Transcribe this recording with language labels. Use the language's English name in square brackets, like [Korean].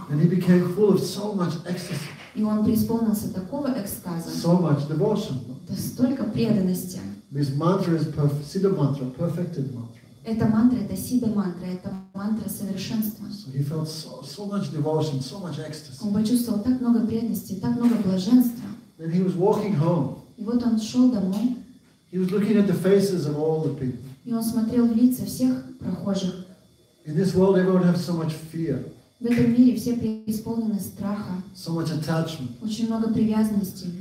[English] And he became full of so much ecstasy. [Russian] И он преисполнился такого экстаза. [English] So much devotion. [Russian] Да столько преданности. [English] This mantra is siddha mantra, perfected mantra. [Russian] Эта мантра, это сиддха мантра, это мантра совершенства. [English] So he felt so much devotion, so much ecstasy. [Russian] Он почувствовал так много преданности, так много блаженства. [English] And he was walking home. [Russian] И вот он шел домой. [English] He was looking at the faces of all the people. [Russian] И он смотрел в лица всех прохожих. [English] In this world, everyone has so much fear. [Russian] В этом мире все преисполнены страха. [English] So much attachment. [Russian] Очень много привязанности.